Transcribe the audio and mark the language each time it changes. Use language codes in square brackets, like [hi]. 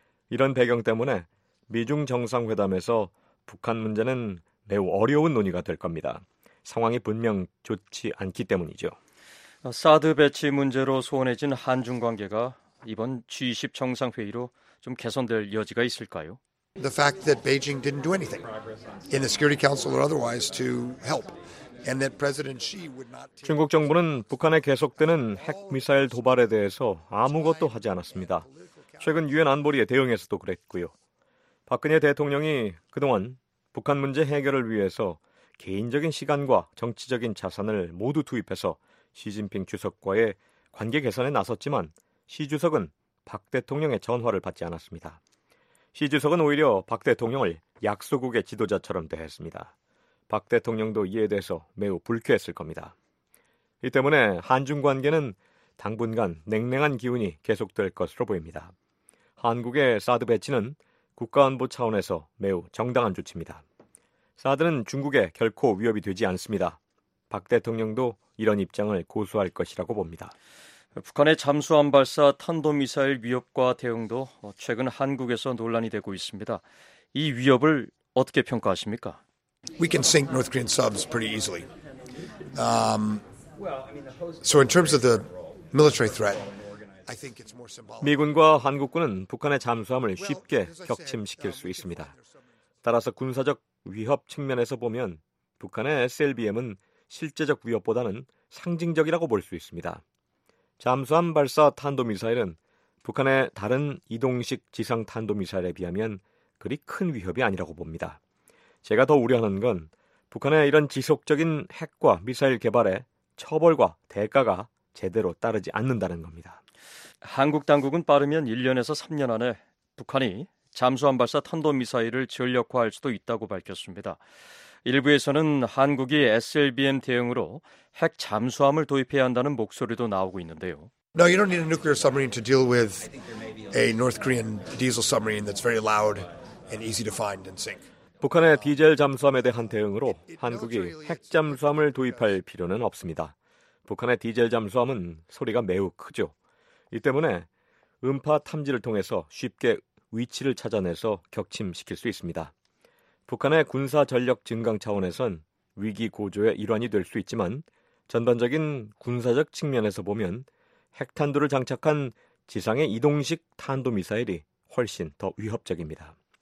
[ko] 이런 배경 때문에 미중 정상회담에서 북한 문제는 매우 어려운 논의가 될 겁니다. 상황이 분명 좋지 않기 때문이죠. 사드 배치 문제로 소원해진 한중 관계가 이번 G20 정상회의로 좀 개선될 여지가 있을까요? [en] The fact that Beijing didn't do anything in the Security Council or otherwise to help and that President Xi would not [ko] 중국 정부는 북한의 계속되는 핵 미사일 도발에 대해서 아무것도 하지 않았습니다. 최근 유엔 안보리에 대응해서도 그랬고요. 박근혜 대통령이 그동안 북한 문제 해결을 위해서 개인적인 시간과 정치적인 자산을 모두 투입해서 시진핑 주석과의 관계 개선에 나섰지만 시 주석은 박 대통령의 전화를 받지 않았습니다. 시 주석은 오히려 박 대통령을 약소국의 지도자처럼 대했습니다. 박 대통령도 이에 대해서 매우 불쾌했을 겁니다. 이 때문에 한중 관계는 당분간 냉랭한 기운이 계속될 것으로 보입니다. 한국의 사드 배치는 국가안보 차원에서 매우 정당한 조치입니다. 사드는 중국에 결코 위협이 되지 않습니다. 박 대통령도 이런 입장을 고수할 것이라고 봅니다. 북한의 잠수함 발사 탄도미사일 위협과 대응도 최근 한국에서 논란이 되고 있습니다. 이 위협을 어떻게 평가하십니까? [en] We can sink North Korean subs pretty easily. So in terms of the military threat, I think it's more symbolic. [ko] 미군과 한국군은 북한의 잠수함을 쉽게 격침시킬 수 있습니다. 따라서 군사적 위협 측면에서 보면 북한의 SLBM은 실제적 위협보다는 상징적이라고 볼 수 있습니다. 잠수함 발사 탄도미사일은 북한의 다른 이동식 지상탄도미사일에 비하면 그리 큰 위협이 아니라고 봅니다. 제가 더 우려하는 건 북한의 이런 지속적인 핵과 미사일 개발에 처벌과 대가가 제대로 따르지 않는다는 겁니다. 한국 당국은 빠르면 1년에서 3년 안에 북한이 잠수함 발사 탄도미사일을 전력화할 수도 있다고 밝혔습니다. 일부에서는 한국이 SLBM 대응으로 핵 잠수함을 도입해야 한다는 목소리도 나오고 있는데요. [en] No, you don't need a nuclear submarine to deal with a North Korean diesel submarine that's very loud and easy to find and sink. [ko] 북한의 디젤 잠수함에 대한 대응으로 한국이 핵 잠수함을 도입할 필요는 없습니다. 북한의 디젤 잠수함은 소리가 매우 크죠. 이 때문에 음파 탐지를 통해서 쉽게 위치를 찾아내서 격침시킬 수 있습니다. 북한의 군사 전력 증강 차원에선 위기 고조의 일환이 될 수 있지만 전반적인 군사적 측면에서 보면 핵탄두를 장착한 지상의 이동식 탄도미사일이 훨씬 더 위협적입니다.